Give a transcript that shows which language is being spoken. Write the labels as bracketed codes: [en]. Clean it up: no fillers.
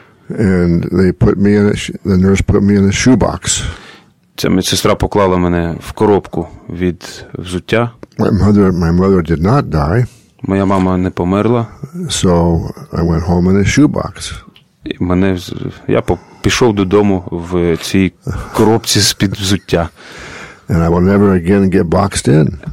[en] And they put me in the nurse put me in a shoebox. [uk] Ця медсестра поклала мене в коробку від взуття. [en] My mother did not die. [uk] Моя мама не померла. [en] So I went home in a shoebox. [uk] Пішов додому в цій коробці з-під взуття. [en] And I will never again get boxed in.